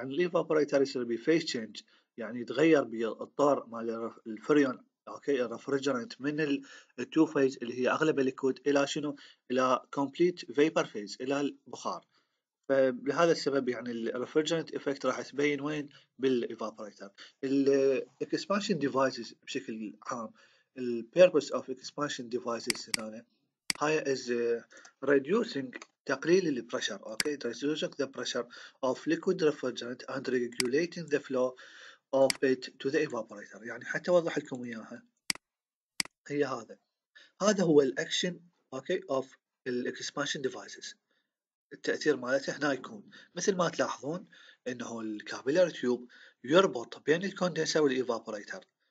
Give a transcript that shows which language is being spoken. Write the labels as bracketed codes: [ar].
[ar] يعني الإيفابوريتر يصير بي فيس تشينج، يعني يتغير بالطار مال الفريون، أوكي، الريفرجرنت من التو فيز اللي هي أغلب الليكويد إلى شنو؟ إلى كومبليت فيبر فيز إلى البخار. فلهذا السبب يعني الريفرجرنت إفكت راح تبين وين؟ بالإيفابوريتر. الإكسبانشن ديفايسز بشكل عام الـ [en] purpose of expansion devices [ar] هي [en] is reducing [ar] تقليل الـ pressure. [en] Okay, reducing the pressure of liquid refrigerant and regulating the flow of it to the evaporator. [ar] يعني حتى أوضح لكم إياها هي هذا هو الـ action. [en] Okay, of [ar] الـ expansion devices التأثير مالته هنا يكون مثل ما تلاحظون إنه الـ capillary tube يربط بين الـ condenser والـ evaporator.